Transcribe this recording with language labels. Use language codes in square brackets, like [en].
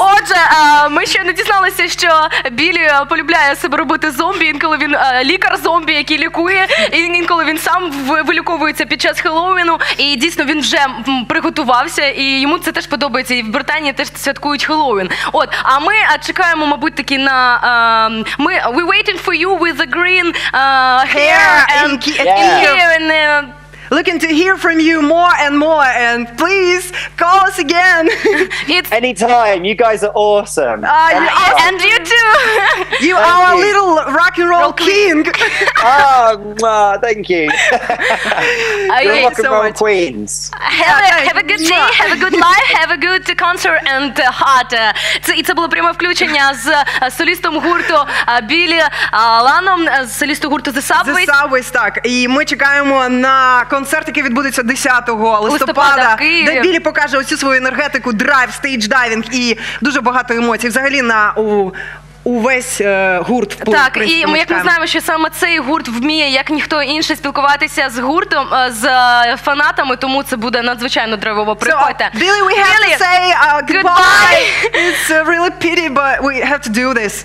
[uk] Отже, ми ще не дізналися, що Білі полюбляє себе робити зомбі. Інколи він лікар-зомбі, який лікує. І інколи він сам вилюковується під час Хеллоуіну. І дійсно він вже приготувався. І йому це теж подобається. І в Британії теж святкують Хеллоуін. От, а ми чекаємо, мабуть, таки на... [en] We're waiting for you with the green hair and looking to hear from you more and more, and please call us again. It's anytime. You guys are awesome. And you too. You are a little rock and roll king. Oh, thank you. You're rock and roll queens. Have a good day, have a good life, have a good concert and heart. [uk] Це було пряме включення з солістом гурту Білі Ланом, з солістом гурту The Subways. The Subways, так. І ми чекаємо на концерт, який відбудеться 10 листопада, де Білі покаже усю свою енергетику, драйв, стейдж-дайвінг і дуже багато емоцій взагалі на увесь гурт. Так, в принципі, і як ми знаємо, що саме цей гурт вміє, як ніхто інший, спілкуватися з гуртом, з фанатами, тому це буде надзвичайно драйвово. Приходьте. [en] So, Billy, we have Billy. To say goodbye. It's a really pity, but we have to do this.